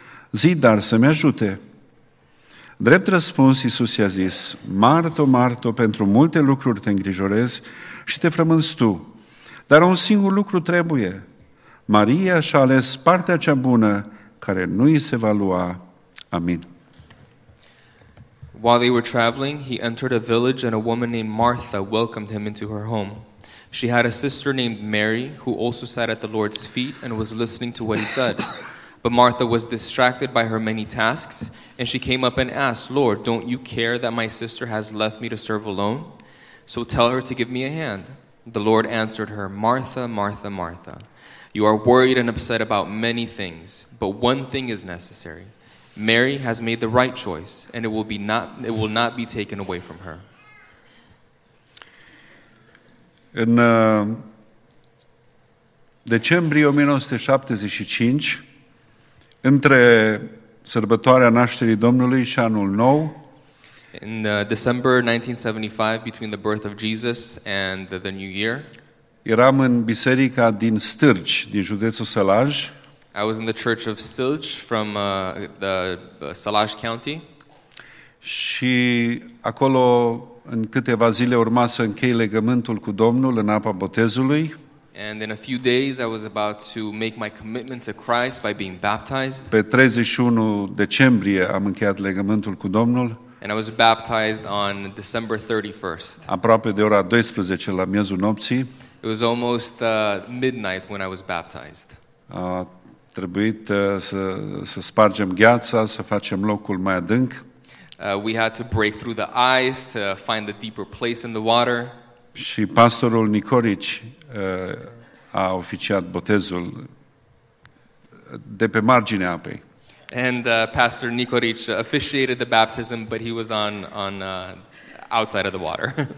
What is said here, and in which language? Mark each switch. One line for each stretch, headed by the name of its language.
Romanian: Zi, dar să-mi ajute! Drept răspuns, Iisus i-a zis, Marto, Marto, pentru multe lucruri te îngrijorezi și te frămânzi tu, dar un singur lucru trebuie. Maria și-a ales partea cea bună care nu îi se va lua. Amin.
English: While they were traveling, he entered a village and a woman named Martha welcomed him into her home. She had a sister named Mary, who also sat at the Lord's feet and was listening to what he said. But Martha was distracted by her many tasks, and she came up and asked, Lord, don't you care that my sister has left me to serve alone? So tell her to give me a hand. The Lord answered her, Martha, Martha, Martha, you are worried and upset about many things, but one thing is necessary. Mary has made the right choice, and it will not be taken away from her. In December 1975,
Romanian: între sărbătoarea nașterii Domnului și anul nou.
English: In December 1975, between the birth of Jesus and the new year.
Romanian: Eram în biserica din Stârci, din județul Sălaj.
English: I was in the church of Stârci from the Sălaj County.
Romanian: Și acolo în câteva zile urma să închei legământul cu Domnul în apa botezului.
English: And in a few days I was about to make my commitment to Christ by being baptized.
Romanian: Pe 31 decembrie am încheiat legământul cu Domnul.
English: And I was baptized on December 31st.
Romanian: Aproape de ora 12 la miezul nopții.
English: It was almost midnight when I was baptized.
Romanian: A trebuit să spargem gheața, să facem locul mai adânc.
English: We had to break through the ice to find the deeper place in the water.
Romanian: Și pastorul Nicorici a oficiat botezul de pe marginea apei.
English: And Pastor Nicorici officiated the baptism, but he was on outside of the water.